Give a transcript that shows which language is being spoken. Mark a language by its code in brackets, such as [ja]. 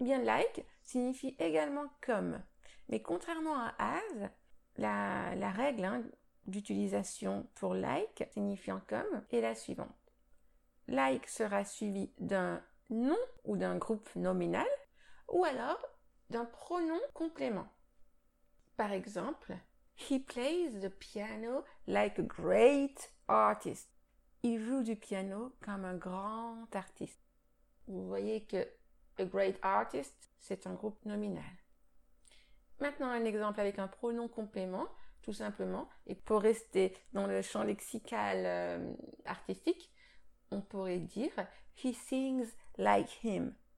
[fr] Eh bien, « like » signifie également « comme ». Mais contrairement à « as », la règle d'utilisation pour « like » signifiant « comme » est la suivante. « Like » sera suivi d'un nom ou d'un groupe nominal, ou alors d'un pronom complément. Par exemple, [en] He plays the piano like a great artist. [fr] Il joue du piano comme un grand artiste. Vous voyez que [en] a great artist, [fr] c'est un groupe nominal. Maintenant, un exemple avec un pronom complément, tout simplement. Et pour rester dans le champ lexical artistique, on pourrait dire [en] He sings like him.